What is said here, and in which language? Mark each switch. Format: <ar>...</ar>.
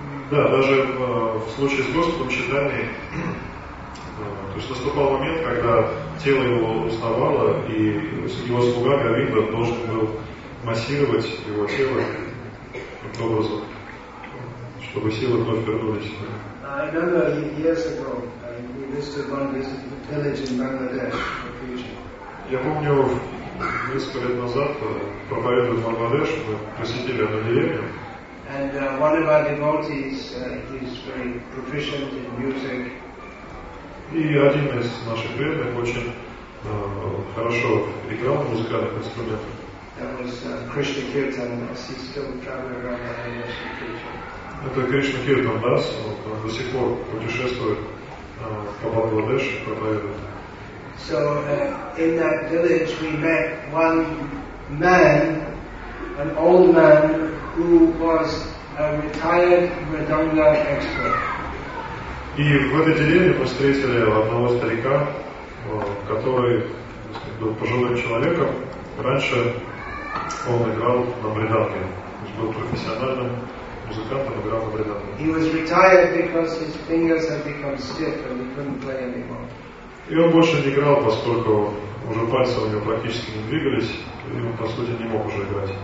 <ru>Да, даже в случае с Господом Чайтаньей, то есть наступал момент, когда тело его уставало, и его слуга Говинда должен был массировать его тело таким образом, чтобы силы вновь вернулись.</ru> <en>I know that years ago, we visited one visit village in Bangladesh for preaching.</en> <ru>Я помню, несколько лет назад, проповедуя в Бангладеш, мы посетили одну деревню.</ru> <en>And one of our devotees, he's very proficient in music.</en> <ru>И один из наших преданных очень хорошо играл на музыкальных инструментах.</ru> <en>That was Krishna Kirtan Das. He's still traveling around the area as a preacher.</en> <ru>Это Кришна Киртан Дас. Он до сих пор путешествует по Бангладеш, проповедует.</ru> <en>So in that village we met one man, an old man who was a retired mridanga expert.</en> <ru>И в этой деревне мы встретили одного старика, который был пожилым человеком раньше. Он играл на мриданге. Он был профессиональным музыкантом, играл на мриданге.</ru> <en>He was retired because his fingers had become stiff and he couldn't play anymore.</en> <ru>И он больше не играл, поскольку уже пальцы у него практически не двигались, и он по сути не мог уже играть.</ru>